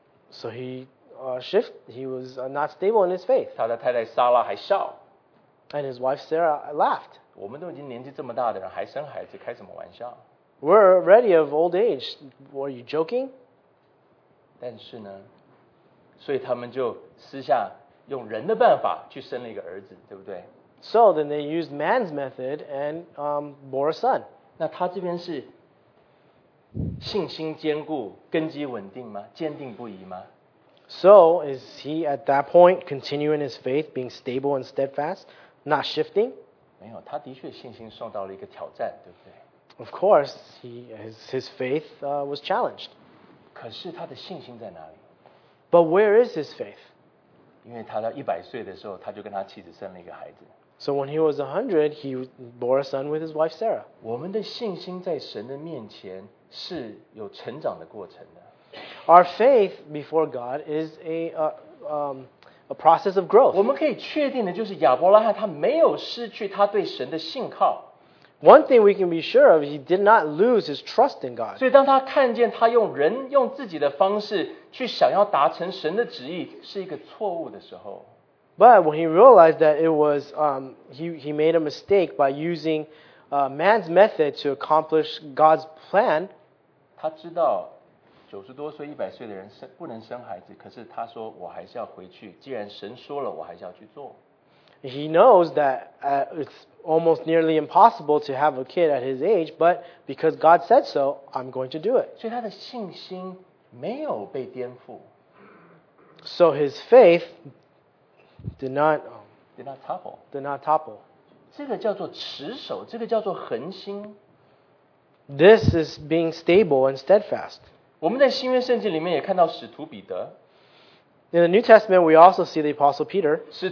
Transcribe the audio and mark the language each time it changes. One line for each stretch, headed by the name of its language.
English: So he he was not stable in his faith.
Chinese: 他的太太撒拉还笑。
English: And his wife Sarah laughed.
Chinese: 我们都已经年纪这么大的人，还生孩子，开什么玩笑？
English: We're already of old age. Were you joking?
Chinese: 但是呢，所以他们就私下用人的办法去生了一个儿子，对不对？
English: So then they used man's method and bore a son.
Chinese: 那他这边是信心坚固，根基稳定吗？坚定不移吗？
English: So is he at that point continuing his faith, being stable and steadfast, not shifting?
Chinese: 没有，他的确信心受到了一个挑战，对不对？
English: Of course, his faith was challenged.
Chinese: 可是他的信心在哪里？
English: But where is his faith?
Chinese: 因为他到100岁的时候，他就跟他妻子生了一个孩子。
English: So when he was 100, he bore a son with his wife Sarah.
Chinese: 我们的信心在神的面前是有成长的过程的。
English: Our faith before God is a process of growth.
Chinese: 我们可以确定的就是亚伯拉罕他没有失去他对神的信靠。
English: One thing we can be sure of, he did not lose his trust in God.
Chinese: 所以当他看见他用人用自己的方式去想要达成神的旨意是一个错误的时候。
English: But when he realized that it was, he made a mistake by using man's method to accomplish God's plan.
Chinese: 他知道 90多岁、100岁的人不能生孩子，可是他说我还是要回去。既然神说了，我还是要去做。
English: He knows that it's almost nearly impossible to have a kid at his age, but because God said so, I'm going to do it.
Chinese: 所以他的信心没有被颠覆。
English: So his faith did not topple.
Chinese: 这个叫做持守，这个叫做恒心。
English: This is being stable and steadfast.
Chinese: 我们在新约圣经里面也看到使徒彼得。
English: In the New Testament, we also see the Apostle Peter.